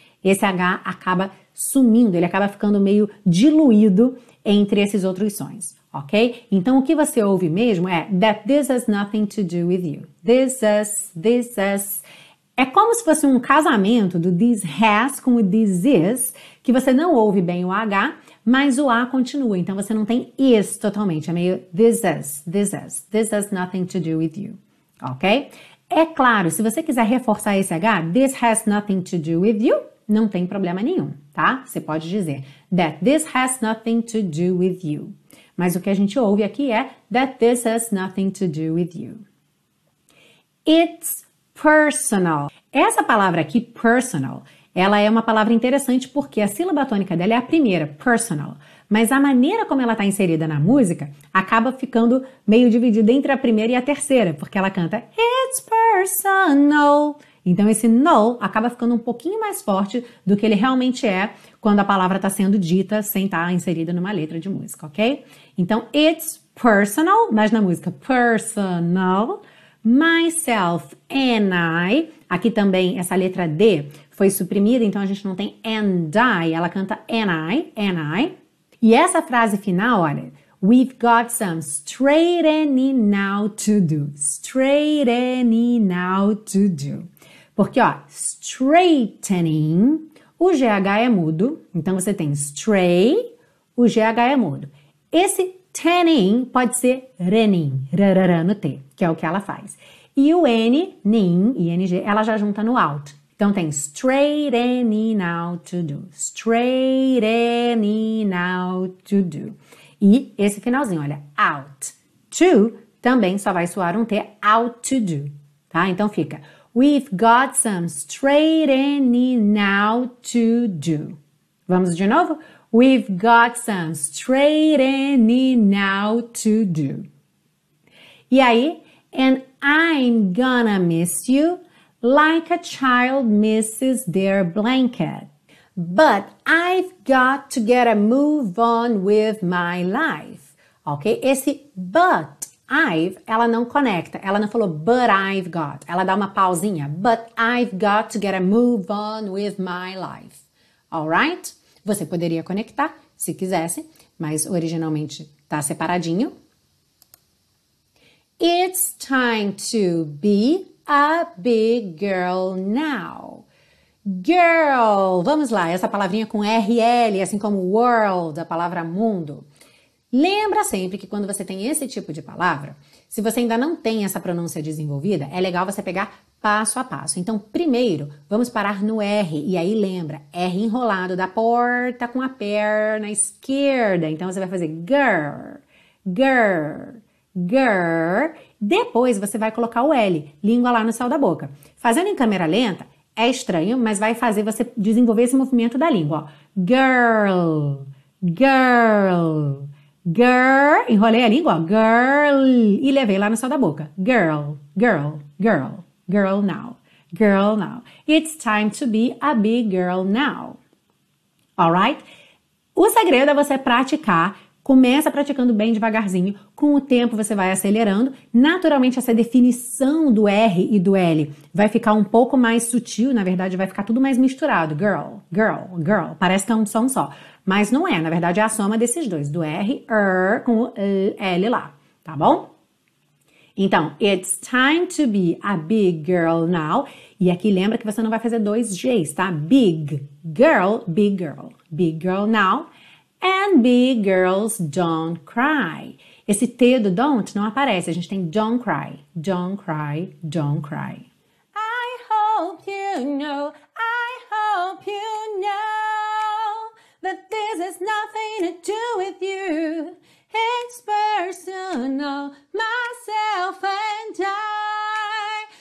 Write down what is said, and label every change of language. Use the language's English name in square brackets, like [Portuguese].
[Portuguese] Esse H acaba sumindo, ele acaba ficando meio diluído entre esses outros sons, ok? Então o que você ouve mesmo é [English] that this has nothing to do with you. This has. [Portuguese] É como se fosse um casamento do this has com o this is, que você não ouve bem o H, mas o A continua. Então você não tem is totalmente. É meio [English] this has nothing to do with you, ok? [Portuguese] É claro, se você quiser reforçar esse H, [English] this has nothing to do with you, [Portuguese] não tem problema nenhum, tá? Você pode dizer [English] that this has nothing to do with you. [Portuguese] Mas o que a gente ouve aqui é [English] that this has nothing to do with you. It's personal. [Portuguese] Essa palavra aqui, personal, ela é uma palavra interessante porque a sílaba tônica dela é a primeira, personal. Mas a maneira como ela está inserida na música acaba ficando meio dividida entre a primeira e a terceira, porque ela canta [English] It's personal. [Portuguese] Então esse no acaba ficando um pouquinho mais forte do que ele realmente é quando a palavra está sendo dita sem estar inserida numa letra de música, ok? Então It's personal, mas na música personal. Myself and I, aqui também essa letra D foi suprimida, então a gente não tem and I, ela canta and I. E essa frase final, olha, [English] we've got some straightening out to do. Straightening out to do. [Portuguese] Porque, ó, straightening, o GH é mudo, então você tem straight, o GH é mudo. Esse tanning pode ser renin, rarara no T, que é o que ela faz. E o N, nin, ING, ela já junta no out. Então tem [English] straightening out to do. Straightening out to do. [Portuguese] E esse finalzinho, olha, out to também só vai soar um T, out to do. Tá? Então fica: [English] We've got some straightening out to do. [Portuguese] Vamos de novo? [English] We've got some straightening out to do. [Portuguese] E aí? [English] And I'm gonna miss you like a child misses their blanket. But I've got to get a move on with my life. Ok? [Portuguese] Esse but I've, ela não conecta. Ela não falou but I've got. Ela dá uma pausinha. [English] But I've got to get a move on with my life. Alright? [Portuguese] Você poderia conectar se quisesse, mas originalmente tá separadinho. [English] It's time to be a big girl now. [Portuguese] Girl, vamos lá, essa palavrinha com RL, assim como world, a palavra mundo. Lembra sempre que quando você tem esse tipo de palavra, se você ainda não tem essa pronúncia desenvolvida, é legal você pegar passo a passo. Então, primeiro, vamos parar no R, e aí lembra, R enrolado da porta com a perna esquerda. Então, você vai fazer girl, girl. Girl, depois você vai colocar o L, língua lá no céu da boca. Fazendo em câmera lenta, é estranho, mas vai fazer você desenvolver esse movimento da língua, ó. Girl, girl, girl, enrolei a língua, ó. Girl, e levei lá no céu da boca. [English] Girl, girl, girl, girl now, girl now. It's time to be a big girl now. Alright? [Portuguese] O segredo é você praticar. Começa praticando bem devagarzinho, com o tempo você vai acelerando. Naturalmente, essa definição do R e do L vai ficar um pouco mais sutil, na verdade, vai ficar tudo mais misturado. Girl, girl, girl. Parece que é um som só. Mas não é, na verdade, é a soma desses dois, do R, R com o L lá, tá bom? Então, [English] it's time to be a big girl now. [Portuguese] E aqui lembra que você não vai fazer dois G's, tá? Big girl, big girl. Big girl now. [English] And big girls don't cry. [Portuguese] Esse T do don't não aparece. A gente tem don't cry. [English] Don't cry, don't cry. I hope you know, I hope you know that this has nothing to do with you. It's personal, myself and I.